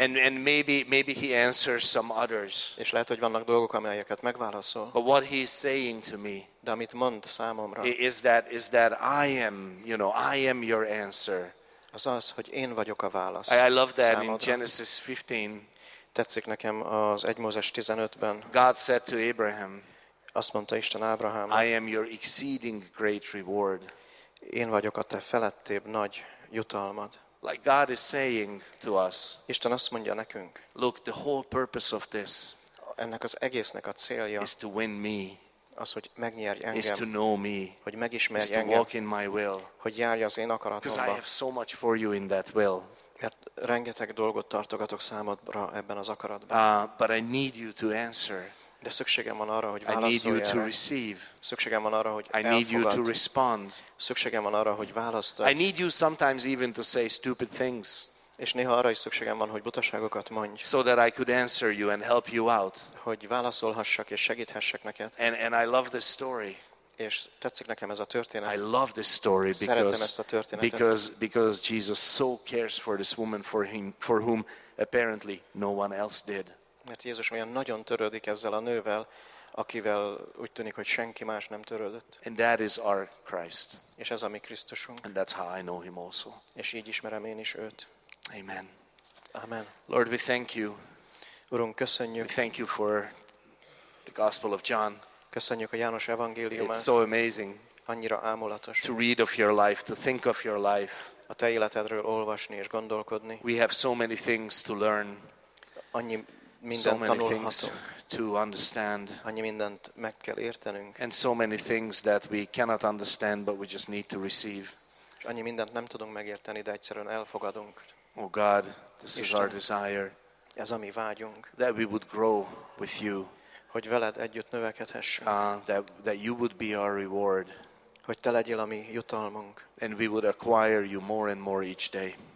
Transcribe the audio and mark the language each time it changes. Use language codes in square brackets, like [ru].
[en] And maybe he answers some others. [hu] És lehet, hogy vannak dolgok, amelyeket megválaszol. [en] But what he is saying to me, [hu] de amit mond számomra, [en] is that I am, you know, I am your answer. [hu] Az az, hogy én vagyok a válasz. [en] I love that [hu] számodra. [en] In Genesis 15, [hu] tetszik nekem az 1 Mózes 15-ben. [en] God said to Abraham, [hu] Azt mondta Isten Ábrahámnak. [en] I am your exceeding great reward. [hu] Én vagyok a te felettébb nagy jutalmad. [en] Like God is saying to us. [hu] Isten azt mondja nekünk. [en] Look, the whole purpose of this. [hu] Ennek az egésznek a célja. [en] Is to win me. [hu] Az, hogy megnyerj engem. [en] Is to know me. [hu] Hogy megismerj engem. [en] Is to walk in my will. [hu] Hogy járj az én akaratomba. [en] Because I have so much for you in that will. [hu] Mert rengeteg dolgot tartogatok számodra ebben az akaratban. [en] But I need you to answer. [hu] De szükségem van arra, hogy válaszolj. [en] I need you to receive. [hu] Szükségem van arra, hogy elfogadj. [en] I need you to respond. [hu] Szükségem van arra, hogy válaszolj. [en] I need you sometimes even to say stupid things. [hu] És néha arra is szükségem van, hogy butaságokat mondj. [en] So that I could answer you and help you out. [hu] Hogy válaszolhassak és segíthessek neked. [en] And I love this story. [hu] És tetszik nekem ez a történet. [en] I love this story because Jesus so cares for this woman for whom apparently no one else did. [hu] Mert Jézus olyan nagyon törődik ezzel a nővel, akivel úgy tűnik, hogy senki más nem törődött. [en] And that is our Christ. [hu] És ez a mi Krisztusunk. [en] And that's how I know him also. [hu] És így ismerem én is őt. [en] Amen. [hu] Amen. [en] Lord, we thank you. [hu] Urunk, köszönjük. [en] We thank you for the Gospel of John. [hu] Köszönjük a János evangéliumát. [en] It's so amazing. [hu] Annyira ámulatos. [en] To read of your life, to think of your life. [hu] A te életedről olvasni és gondolkodni. [en] We have so many things to learn. [hu] Annyi mindent tanulhatunk. [en] To understand. [hu] Annyi mindent meg kell értenünk. [en] And so many things that we cannot understand, but we just need to receive. [hu] És annyi mindent nem tudunk megérteni, de egyszerűen elfogadunk. [en] Oh God, this Isten, is our desire. [hu] Ez a mi vágyunk. [en] That we would grow with you. [hu] Hogy veled együtt növekedhessünk. [en] That you would be our reward. [hu] Hogy te legyél a mi jutalmunk. [en] And we would acquire you more and more each day.